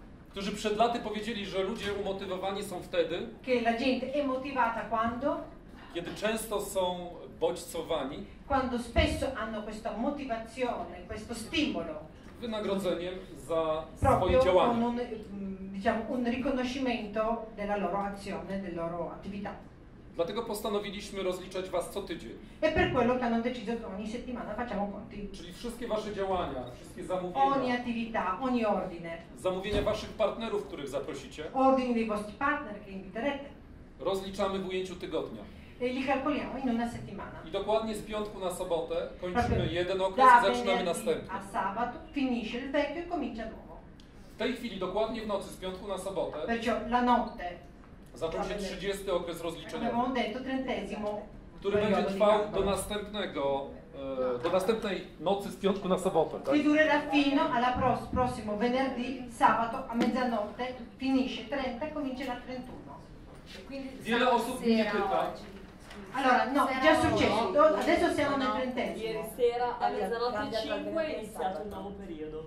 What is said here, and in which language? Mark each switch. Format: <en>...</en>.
<pl>Którzy przed laty powiedzieli, że ludzie umotywowani są wtedy,</pl> <it>che la gente è motivata quando?</it> <pl>Kiedy często są bodźcowani,</pl> <it>quando spesso hanno questa motivazione, questo stimolo,</it> <pl>wynagrodzeniem za swoje działanie,</pl> <it>un, diciamo, un riconoscimento della loro azione, della loro attività.</it> <pl>Dlatego postanowiliśmy rozliczać was co tydzień.</pl> <it>E per quello che hanno deciso che ogni settimana facciamo conti.</it> <pl>Czyli wszystkie wasze działania, wszystkie zamówienia.</pl> <it>Ogni attività, ogni ordine.</it> <pl>Zamówienia waszych partnerów, których zaprosicie.</pl> <it>Ordini dei vostri partner che inviterete.</it> <pl>Rozliczamy w ujęciu tygodnia.</pl> <it>E li calcoliamo in una settimana.</it> <pl>I dokładnie z piątku na sobotę kończymy jeden okres i zaczynamy następny.</pl> <it>A sabato finisce il vecchio e comincia nuovo.</it> <pl>W tej chwili dokładnie w nocy z piątku na sobotę.</pl> <it>Perciò la notte.</it> <pl>Zaczął się 30. okres rozliczeniowy, który będzie trwał do następnego, do następnej nocy z piątku na sobotę.</pl> <it>Che durerà fino alla prossimo venerdì, sabato a mezzanotte, finisce 30 e comincia la 31.</it> <pl>Wiele osób mnie pyta.</pl> <it>Allora, no, già successo, adesso siamo nel trentesimo. Ieri sera a mezzanotte 5 è iniziato un nuovo periodo.</it>